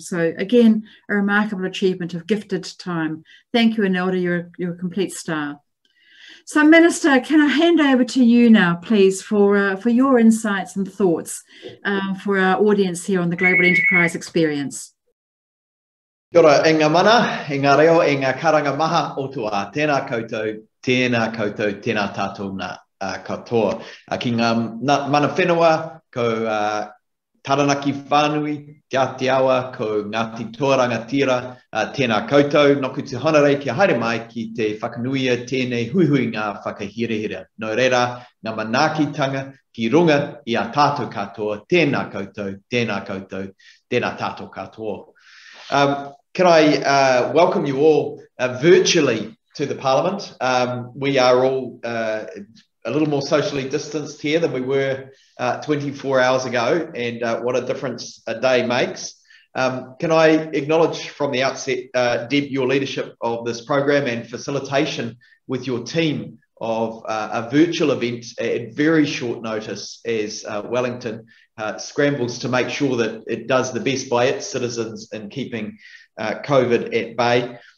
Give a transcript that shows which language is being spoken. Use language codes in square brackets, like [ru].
[en] So again, a remarkable achievement of gifted time. Thank you, Anelda, you're a complete star. So Minister, can I hand over to you now, please, for your insights and thoughts for our audience here on the Global Enterprise Experience. [mi] Kia ora, e ngā mana, e ngā reo, e ngā karanga maha o tua, tēnā koutou, tēnā tātou nā katoa. Ki ngā mana whenua, kou Taranaki whānui, Te Atiawa, kou Ngāti Tōranga Tira, tēnā koutou, noku te honore kia haere mai ki te whakanuia tēnei huihui ngā whakahirehira. Nō reira, ngā manaakitanga ki runga i a tātou katoa, tēnā koutou, tēnā tātou katoa. [en] Can I welcome you all virtually to the Parliament? We are all a little more socially distanced here than we were 24 hours ago, and what a difference a day makes. Can I acknowledge from the outset, Deb, your leadership of this program and facilitation with your team of a virtual event at very short notice as Wellington scrambles to make sure that it does the best by its citizens in keeping COVID at bay.